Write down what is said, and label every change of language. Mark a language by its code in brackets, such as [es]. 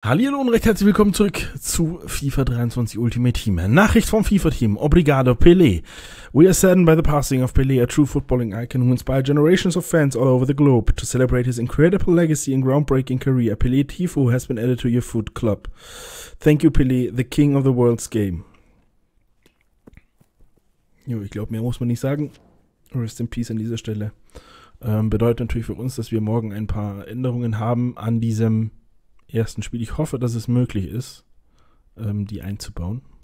[de] Hallihallo und recht herzlich willkommen zurück zu FIFA 23 Ultimate Team. Nachricht vom FIFA-Team. [pt] Obrigado, Pelé. [en] We are saddened by the passing of Pelé, a true footballing icon who inspired generations of fans all over the globe. To celebrate his incredible legacy and groundbreaking career, Pelé Tifo has been added to your foot club. Thank you, Pelé, the king of the world's game. [de] Jo, ich glaube, mehr muss man nicht sagen. [en] Rest in peace [de] an dieser Stelle. Bedeutet natürlich für uns, dass wir morgen ein paar Änderungen haben an diesem ersten Spiel. Ich hoffe, dass es möglich ist, die einzubauen.